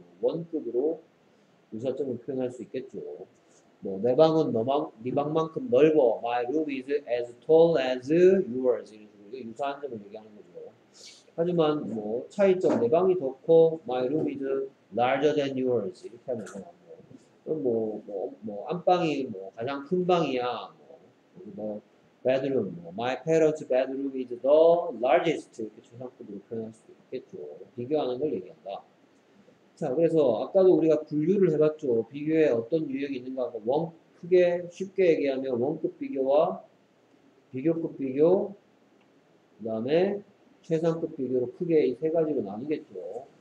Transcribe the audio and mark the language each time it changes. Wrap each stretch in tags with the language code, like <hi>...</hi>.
<ko>원급으로 유사점을 표현할 수 있겠죠. 뭐내 방은 너만 네 방만큼 넓어.</ko> <en>My room is as tall as yours.</en> <ko>이런 식으로 유사한 점을 얘기하는 거죠. 하지만 뭐 차이점, 내 방이 더 커.</ko> <en>My room is larger than yours.</en> <ko>이렇게 하면 뭐 안방이 뭐 가장 큰 방이야.</ko> <en>뭐 bedroom, my parents' bedroom is the largest.</en> <ko>이렇게 최상급으로 표현할 수 있겠죠. 비교하는 걸 얘기한다. 자, 그래서 아까도 우리가 분류를 해봤죠. 비교에 어떤 유형이 있는가 하고, 크게 쉽게 얘기하면 원급 비교와 비교급 비교, 그 다음에 최상급 비교로 크게 이세 가지로 나누겠죠.</ko>